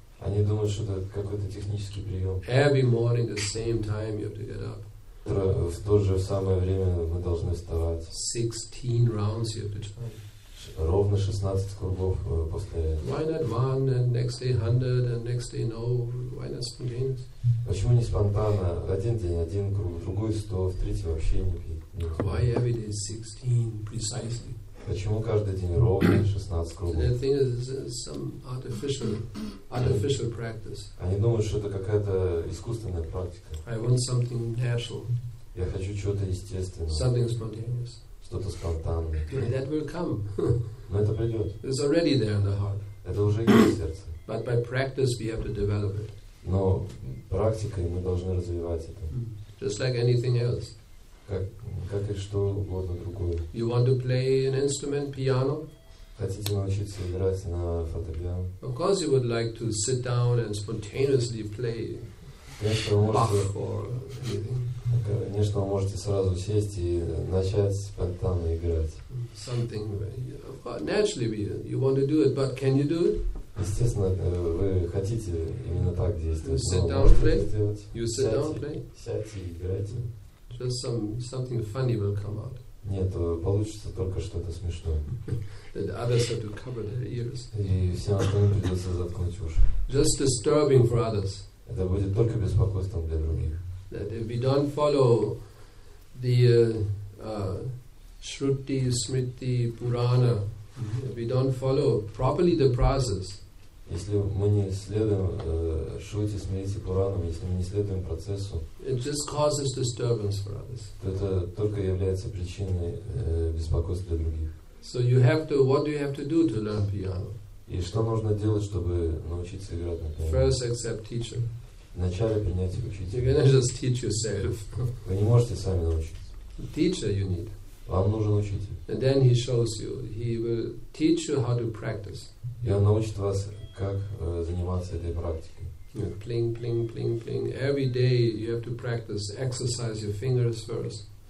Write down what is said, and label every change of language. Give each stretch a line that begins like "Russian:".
Russian: Они думают, что это какой-то технический прием.
English: Every morning, the same time, you have to get up.
Russian: В то же самое время мы должны вставать.
English: 16 rounds you have to try.
Russian: Ровно 16 кругов после этого.
English: Why not one and next day 100 and next day no? Why not spontaneous?
Russian: Почему не спонтанно? Один день один круг, другой 100, в третий вообще не пить.
English: Why every day 16 precisely?
Russian: Почему каждый день ровно 16 кругов?
English: So the thing is some artificial practice.
Russian: Они думают, что это какая-то искусственная практика.
English: I want something natural.
Russian: Я хочу чего-то естественного.
English: Something spontaneous.
Russian: Что-то спонтанное.
English: That will come.
Russian: Но это придет.
English: It's already there in the heart.
Russian: Это уже есть в сердце.
English: But by practice we have to develop it.
Russian: Но практикой мы должны развивать это.
English: Just like anything else.
Russian: Как и что угодно другое.
English: You want to play an instrument, piano?
Russian: Хотите научиться играть на фортепиано?
English: Of course you would like to sit down and spontaneously play Bach or anything.
Russian: Конечно, вы можете сразу сесть и начать спонтанно играть.
English: Something naturally you want to do it, but can you do it?
Russian: Естественно, вы хотите именно так действовать.
English: Sit down, play. You sit down, play.
Russian: Сядьте и играйте.
English: Just something funny will come out.
Russian: Нет, получится только что-то смешное.
English: That others have to cover their ears.
Russian: И всем остальным придется заткнуть уши.
English: Just disturbing for others.
Russian: Это будет только беспокойством для других.
English: That if we don't follow the Shruti, Smriti, Purana, if we don't follow properly the process.
Russian: Если мы не следуем Шрути, Смрити, Пуранам, если мы не следуем процессу,
English: it just causes disturbance for others.
Russian: То это только является причиной беспокойства для других.
English: So you have to, what do you have to do to learn piano?
Russian: И что нужно делать, чтобы научиться играть на пиано?
English: First accept teacher.
Russian: Вначале принять учителя.
English: You cannot just teach yourself.
Russian: Вы не можете сами научиться.
English: Teacher you need.
Russian: Вам нужен учитель.
English: And then he shows you. He will teach you how to practice.
Russian: И он научит вас, как заниматься этой практикой.
English: Yeah. Pling, pling, pling, pling. Every day you have to practice, exercise your fingers first.